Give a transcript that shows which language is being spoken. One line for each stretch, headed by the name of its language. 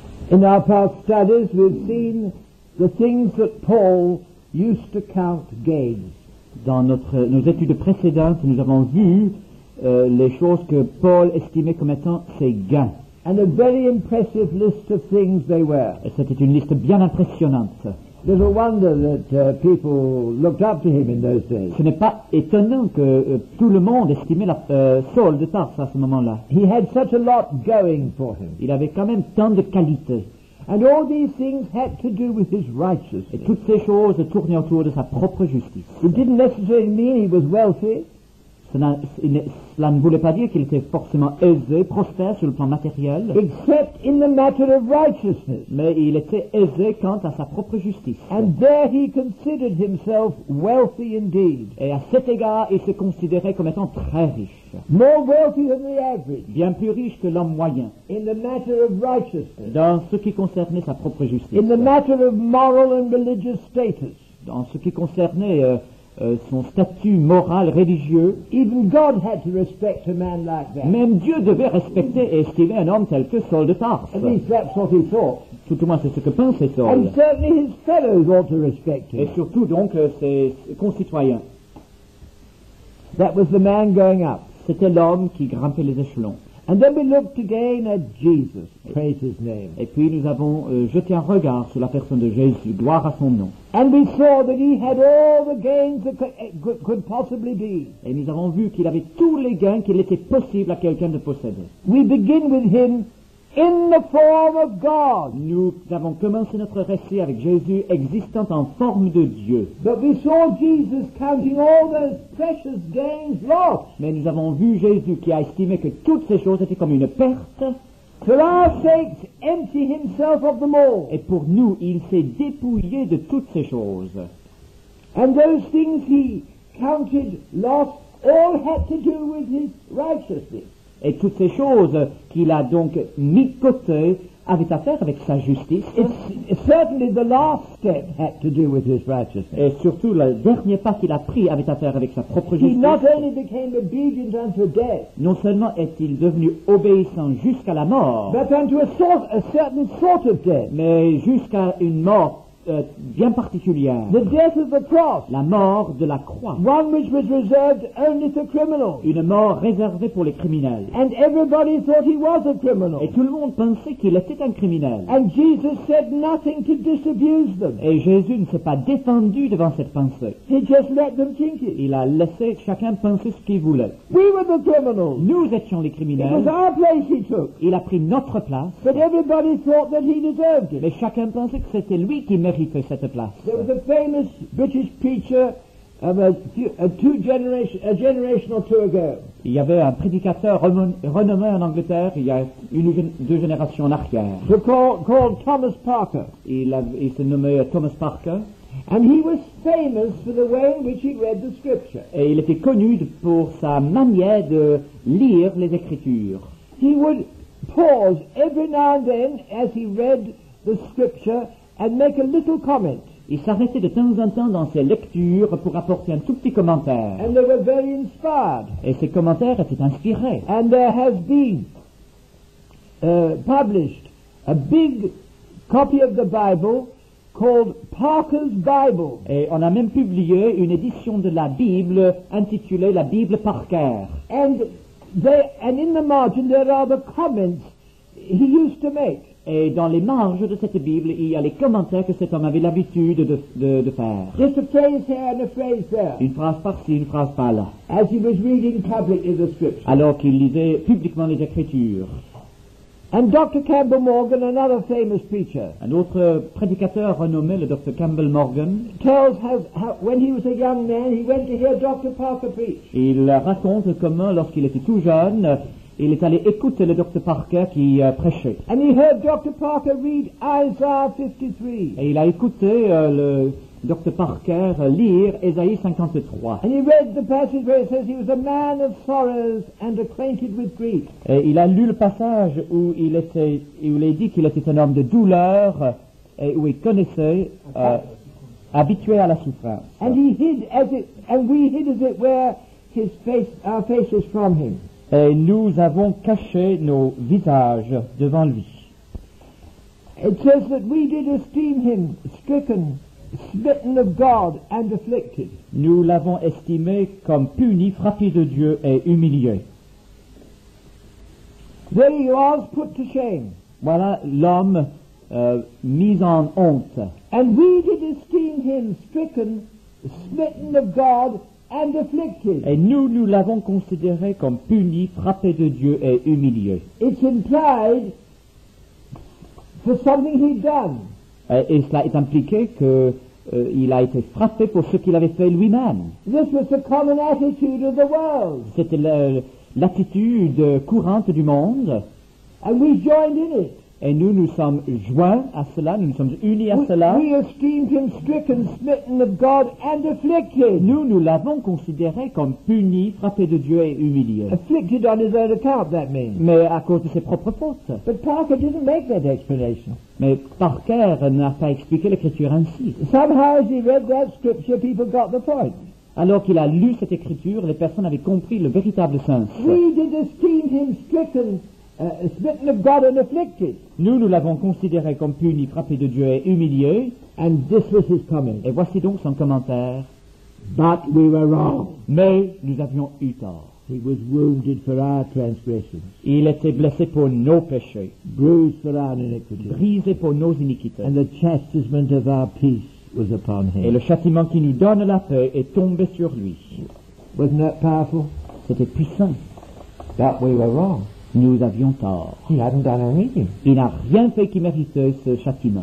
English: In our past studies, we've seen the things that Paul used to count gain.
French: Dans nos études précédentes, nous avons vu les choses que Paul estimait comme étant ses gains.
English: And a very impressive list of things they were.
French: Et c'était une liste bien impressionnante.
English: Little wonder that people looked up to him in those days.
French: Ce n'est pas étonnant que tout le monde estimait Saul de Tarse à ce moment-là.
English: He had such a lot going for him.
French: Il avait quand même tant de qualités.
English: And all these things had to do with his righteousness.
French: Et toutes ces choses tournaient autour de sa propre justice.
English: It didn't necessarily mean he was wealthy.
French: Cela ne voulait pas dire qu'il était forcément aisé, prospère sur le plan matériel.
English: Except in the matter of righteousness.
French: Mais il était aisé quant à sa propre justice.
English: And there he considered himself wealthy indeed.
French: Et à cet égard, il se considérait comme étant très riche.
English: More wealthy than the average.
French: Bien plus riche que l'homme moyen.
English: In the matter of righteousness.
French: Dans ce qui concernait sa propre justice.
English: In the matter of moral and religious status.
French: en ce qui concernait son statut moral religieux,
English: even God had to respect a man like that.
French: Même Dieu devait respecter et estimer un homme tel que Saul de Tarse.
English: At least that's what he thought.
French: Tout au moins c'est ce que pensait Saul.
English: And certainly his fellows ought to respect him.
French: Et surtout donc ses concitoyens.
English: That was the man going up.
French: C'était l'homme qui grimpait les échelons.
English: And then we looked again at Jesus. Praise his name.
French: Et puis nous avons jeté un regard sur la personne de Jésus. Gloire à son nom.
English: And we saw that he had all the gains that could possibly be.
French: Et nous avons vu qu'il avait tous les gains qu'il était possible à quelqu'un de posséder.
English: We begin with him in the form of God.
French: Nous avons commencé notre récit avec Jésus existant en forme de Dieu.
English: But we saw Jesus counting all those precious gains lost.
French: Mais nous avons vu Jésus qui a estimé que toutes ces choses étaient comme une perte.
English: For our sakes, empty himself of them all.
French: Et pour nous, il s'est dépouillé de toutes ces choses.
English: And those things he counted lost all had to do with his righteousness.
French: Et toutes ces choses qu'il a donc mis de côté avaient affaire avec sa justice.
English: It's certainly the last step had to do with his righteousness.
French: Et surtout, le dernier pas qu'il a pris avait affaire avec sa propre justice.
English: He not only became obedient unto death,
French: non seulement est-il devenu obéissant jusqu'à la mort,
English: but unto a certain sort of death,
French: mais jusqu'à une mort bien particulière.
English: The death of the cross.
French: La mort de la croix.
English: One which was reserved only to criminals.
French: Une mort réservée pour les criminels.
English: And everybody thought he was a criminal.
French: Et tout le monde pensait qu'il était un criminel.
English: And Jesus said nothing to disabuse them.
French: Et Jésus ne s'est pas défendu devant cette pensée.
English: He just let them think it.
French: Il a laissé chacun penser ce qu'il voulait.
English: We were the criminals.
French: Nous étions les criminels.
English: It was our place he took.
French: Il a pris notre place.
English: But everybody thought that he deserved it.
French: Mais chacun pensait que c'était lui qui méritait cette place.
English: There was a famous British preacher of a generation or two ago.
French: Il y avait un prédicateur renommé en Angleterre il y a deux générations en arrière.
English: Called Thomas Parker.
French: Il se nommait Thomas Parker.
English: And he was famous for the way in which he read the scripture.
French: Et il était connu pour sa manière de lire les Écritures.
English: He would pause every now and then as he read the scripture and make a little comment.
French: Il s'arrêtait de temps en temps dans ses lectures pour apporter un tout petit commentaire.
English: And they were very inspired.
French: Et ses commentaires étaient inspirés.
English: And there has been published a big copy of the Bible called Parker's Bible.
French: Et on a même publié une édition de la Bible intitulée La Bible Parker.
English: And in the margin there are the comments he used to make.
French: Et dans les marges de cette Bible, il y a les commentaires que cet homme avait l'habitude de faire.
English: Just a phrase here and a phrase there.
French: Une phrase par-ci, une phrase par-là.
English: As he was reading publicly the scripture.
French: Alors qu'il lisait publiquement les Écritures.
English: And Dr. Campbell Morgan, another famous preacher.
French: Un autre prédicateur renommé, le Dr. Campbell Morgan.
English: Tells how when he was a young man, he went to hear Dr. Parker preach.
French: Il raconte comment, lorsqu'il était tout jeune, il est allé écouter le Dr. Parker qui prêchait.
English: And he heard Dr. Parker read Isaiah 53.
French: Et il a écouté le Dr. Parker lire Ésaïe 53.
English: And he read the passage where it says he was a man of sorrows and acquainted with grief.
French: Et il a lu le passage où il est dit qu'il était un homme de douleur et où il connaissait, habitué à la souffrance.
English: And he hid as it, and we hid as it were his face, our faces from him.
French: Et nous avons caché nos visages devant lui.
English: It says that we did esteem him stricken, smitten of God and afflicted.
French: Nous l'avons estimé comme puni, frappé de Dieu et humilié.
English: There he was put to shame.
French: Voilà l'homme mis en honte.
English: And we did esteem him stricken, smitten of God and afflicted.
French: Et nous l'avons considéré comme puni, frappé de Dieu et humilié.
English: It's implied for something he'd done.
French: Et cela est impliqué qu'il a été frappé pour ce qu'il avait fait lui-même.
English: This was the common attitude of the world.
French: C'était l'attitude courante du monde.
English: And we joined in it.
French: Et nous, nous sommes joints à cela, nous nous sommes unis à cela.
English: We esteemed him stricken, smitten of God, and afflicted.
French: Nous, nous l'avons considéré comme puni, frappé de Dieu et humilié.
English: Afflicted on his own account, that means.
French: Mais à cause de ses propres fautes.
English: But Parker didn't make that explanation.
French: Mais Parker n'a pas expliqué l'Écriture ainsi.
English: Somehow, as he read that scripture, people got the point.
French: Alors qu'il a lu cette Écriture, les personnes avaient compris le véritable sens.
English: We did esteemed him stricken. Smitten of God and afflicted.
French: Nous, nous l'avons considéré comme puni, frappé de Dieu et humilié.
English: And this was his comment.
French: Et voici donc son commentaire.
English: But we were wrong.
French: Mais nous avions eu tort.
English: He was wounded for our transgressions.
French: Il était blessé pour nos péchés.
English: Bruised for our iniquities.
French: Brisé pour nos iniquités.
English: And the chastisement of our peace was upon him.
French: Et le châtiment qui nous donne la paix est tombé sur lui.
English: Wasn't that powerful?
French: C'était puissant.
English: But we were wrong.
French: Nous avions tort.
English: He hadn't done anything.
French: Il n'a rien fait qui méritait ce châtiment.